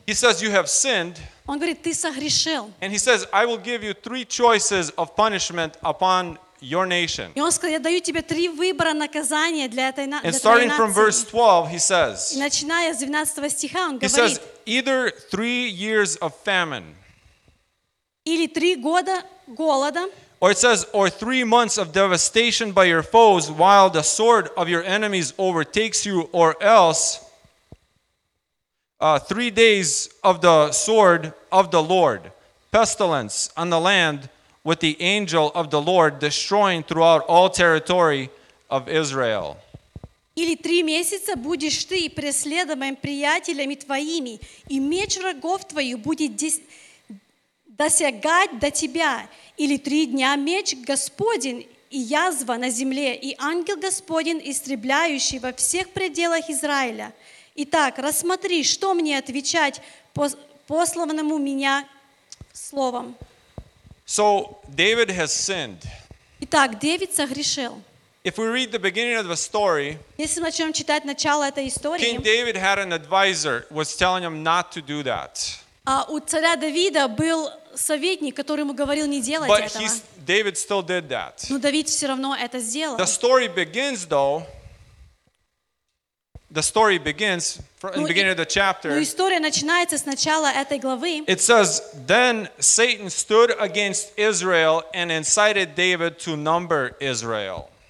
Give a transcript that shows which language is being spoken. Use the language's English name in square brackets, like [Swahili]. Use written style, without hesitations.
[English] he says, you have sinned, [Russian] он говорит, ты согрешил. [English] And he says, I will give you three choices of punishment upon your nation. [Russian] И он сказал, я даю тебе три выбора наказания для этой нации. [English] And starting from verse 12, he says, [Russian] начиная с 12 стиха, он говорит, [English] he says, either 3 years of famine, [Russian] или 3 года голода, [English] or it says, or 3 months of devastation by your foes while the sword of your enemies overtakes you, or else 3 days of the sword of the Lord, pestilence on the land with the angel of the Lord destroying throughout all territory of Israel. [Russian] Или 3 месяца будешь ты преследуем приятелями твоими, и меч врагов твоих будет досягать до тебя, или 3 дня меч Господень и язва на земле, и ангел Господень, истребляющий во всех пределах Израиля. Итак, рассмотри, что мне отвечать посланному меня словом. [English] So David has sinned. [Russian] Итак, Давид согрешил. [English] If we read the beginning of the story, [Russian] если мы начнем читать начало этой истории, [English] King David had an advisor was telling him not to do that. [Russian] А у царя Давида был советник, который ему говорил не делать [English] But [Russian] этого. [English] But David still did that. [Russian] Но Давид все равно это сделал. [English] The story begins, though. The story begins from the beginning of the chapter. [Russian] История начинается с начала этой главы. [English] It says, "Then Satan stood against Israel and incited David to number Israel."